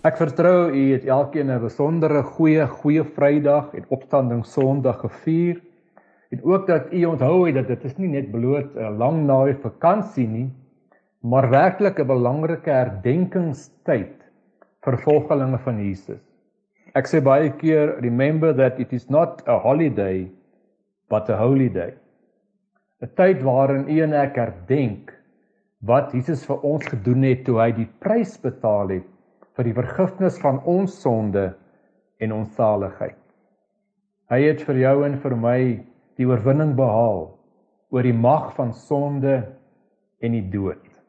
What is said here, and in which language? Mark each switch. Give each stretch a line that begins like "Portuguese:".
Afrikaans: Ek vertrou u het elkeen 'n besondere goeie Vrydag en Opstanding Sondag gevier. En ook dat u onthou het dat dit is nie net bloot 'n lang naweek vakansie nie, maar werklik 'n belangrike herdenkingstyd vir volgelinge van Jesus. Ek sê baie keer,
English: remember that it is not a holiday, but a holy day.
Afrikaans: 'n Tyd waarin u en ek herdenk wat Jesus vir ons gedoen het toe hy die prys betaal het vir die vergifnis van ons sonde en ons saligheid. Hy het vir jou en vir my die oorwinning behaal oor die mag van sonde en die dood.